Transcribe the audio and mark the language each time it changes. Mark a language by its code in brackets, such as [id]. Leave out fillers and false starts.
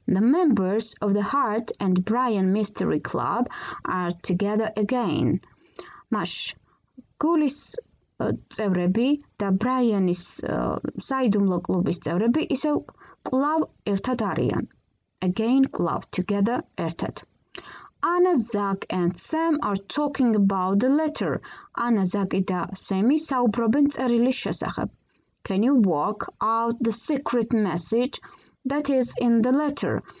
[en] The members of the Heart and Brian Mystery Club are together again. Mash, გულის [ka] წევრები და ბრაიანის საიდუმლო კლუბის წევრები ისევ კვლავ ერთად არიან. [en] Again, club, together, ერთად. Anna, Zach and Sam are talking about the letter. [ka] Anna, Zach და Sammy საუბრობენ წერილის შესახებ. [en] Can you work out the secret message that is in the letter?